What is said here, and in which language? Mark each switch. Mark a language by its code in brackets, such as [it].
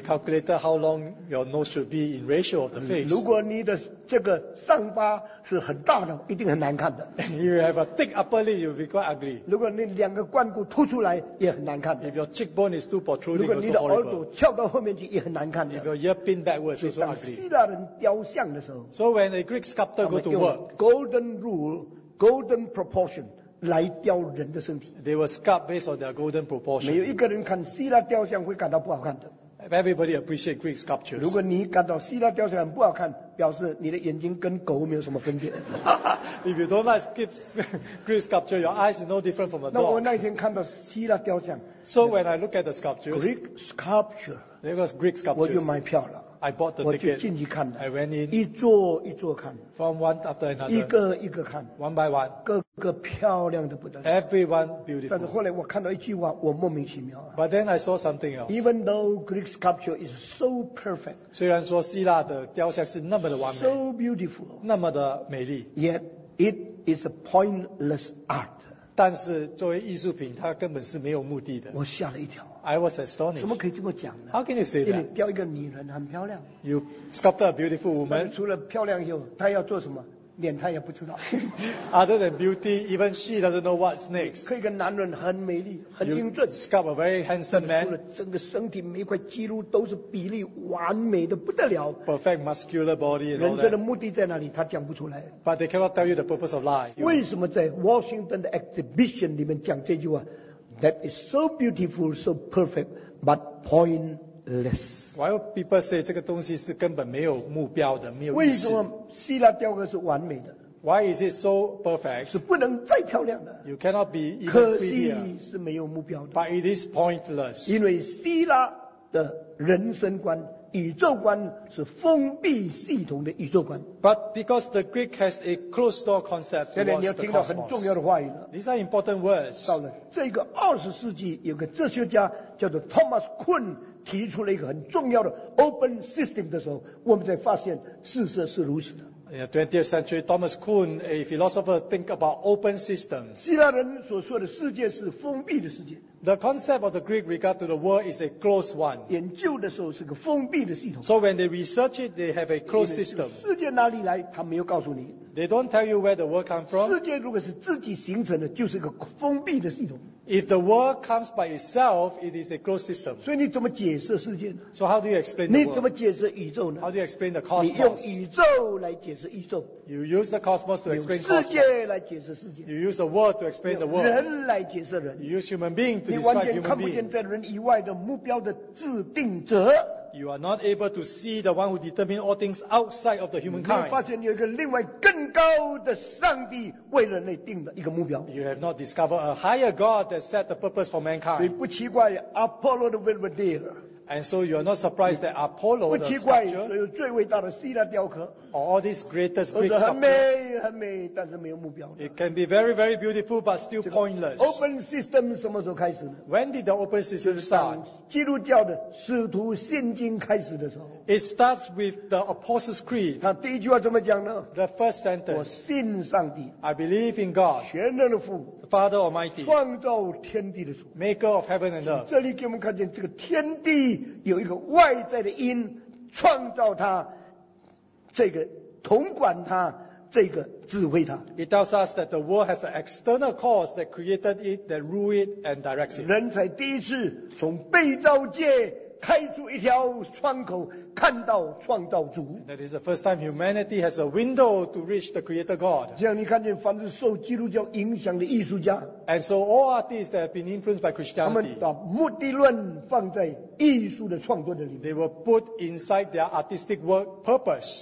[en] calculated how long your nose should be in ratio of the face. [zh] 如果你的这个上巴是很大的, 一定很难看的。 [en] If you have a thick upper lip, you'll be quite ugly. [zh] 如果你两个冠骨凸出来, 也很难看的。 [en] If your cheekbone is too protruding, [zh] 如果你的耳朵翘到后面去, 也很难看的。 [en] If your ear pinned backwards, it's also ugly. [zh] 希腊人雕像的时候, [en] So when a Greek sculptor go to work, golden rule, golden proportion, [zh] 来雕人的身体, [en] They were sculpt based on their golden proportion. [zh] 没有一个人看希腊雕像会感到不好看的。 [en] Everybody appreciate Greek sculptures. [zh] 如果你感到希腊雕像很不好看, 表示你的眼睛跟狗没有什么分别。 [en] If you don't like Greek sculpture, your eyes are no different from a dog. [zh] 那我那天看到希腊雕像, [en] So when I look at the sculptures, Greek sculpture, it was Greek sculptures, [zh] 我就买票了。 [en] I bought the ticket. [zh] 我就进去看的, [en] I went in. [zh] 一座一座看, [en] from one after another. [zh] 一个一个看, [en] one by one. [zh] 个个漂亮的不得了, [en] everyone beautiful. [zh] 但是后来我看到一句话, 我莫名其妙, [en] but then I saw something else. Even though Greek sculpture is so perfect, [zh] 虽然说希腊的雕像是那么的完美, [en] so beautiful, [zh] 那么的美丽, [en] yet it is a pointless art. [zh] 但是作为艺术品, 它根本是没有目的的。我吓了一跳。 [en] I was astonished. [zh] 怎么可以这么讲呢? [en] How can you say that? [zh] 雕一个女人, 很漂亮。 [en] You sculpted a beautiful woman. [zh] 除了漂亮以后, 她要做什么? 脸她也不知道。 [en] Other than beauty, even she doesn't know what's next. [zh] 可以个男人很美丽, 很英俊。 [en] You sculpt a very handsome man. [zh] 除了整个身体每一块肌肉都是比例完美的不得了。 [en] Perfect muscular body and all that. [zh] 人生的目的在哪里?她讲不出来。 [en] But they cannot tell you the purpose of life. [zh] 为什么在Washington exhibition里面讲这句话? [en] That is so beautiful, so perfect, but pointless. Why would people say [zh] 这个东西是根本没有目标的，没有意思？为什么希腊雕刻是完美的？ [en] Why is it so perfect? [zh] 是不能再漂亮的。 [en] You cannot be even prettier. [zh] 可惜是没有目标的。 [en] But it is pointless. [zh] 因为希腊的人生观。宇宙观是封闭系统的宇宙观。 [en] But because the Greek has a closed door concept towards the cosmos. [zh] 现在你要听到很重要的话语了。 [en] These are important words. [zh] 到了这个20世纪，有个哲学家叫做 Thomas Kuhn 提出了一个很重要的 open system 的时候，我们才发现事实是如此的。 [en] Yeah, 20th century, Thomas Kuhn, a philosopher, think about open systems. [zh] 希腊人所说的世界是封闭的世界。 [en] The concept of the Greek regard to the world is a closed one. [zh] 研究的时候是个封闭的系统。 [en] So when they research it, they have a closed system. [zh] 世界哪里来, 他没有告诉你。 [en] They don't tell you where the world comes from. [zh] 世界如果是自己形成的, 就是个封闭的系统。 [en] If the world comes by itself, it is a closed system. [zh] 所以你怎么解释世界呢? [en] So how do you explain the world? [zh] 你怎么解释宇宙呢? [en] How do you explain the cosmos? [zh] 你用宇宙来解释宇宙。 [en] You use the cosmos to explain cosmos. [zh] 用世界来解释世界。 [en] You use the world to explain the world. [zh] 用人来解释人。 [en] You use human being to describe human being. [zh] 你完全看不见在人以外的目标的制定者。 [en] You are not able to see the one who determines all things outside of the humankind. You have not discovered a higher God that set the purpose for mankind. [zh] 你不奇怪, Apollo the Belvedere. [en] And so you are not surprised that Apollo, the sculpture, or all these greatest Greek sculptures, it can be very, very beautiful, but still pointless. [zh] Open system 什么时候开始呢? [en] When did the open system start? [zh] 基督教的使徒信经开始的时候, [en] it starts with the Apostles' Creed. [zh] 他第一句话怎么讲呢? [en] The first sentence, [zh] 我信上帝, [en] I believe in God, [zh] 全能的父, [en] Father Almighty, [zh] 创造天地的主, [en] Maker of heaven and earth. [zh] 这里给我们看见这个天地, 有一个外在的因, 创造他, 这个, 统管他, 这个指挥他。 [en] It tells us that the world has an external cause that created it, that ruled it and directs it. [zh] 人才第一次从被造界 开出一条窗口, 看到创造主。 [en] That is the first time humanity has a window to reach the Creator God. And so all artists that have been influenced by Christianity, they were put inside their artistic work purpose.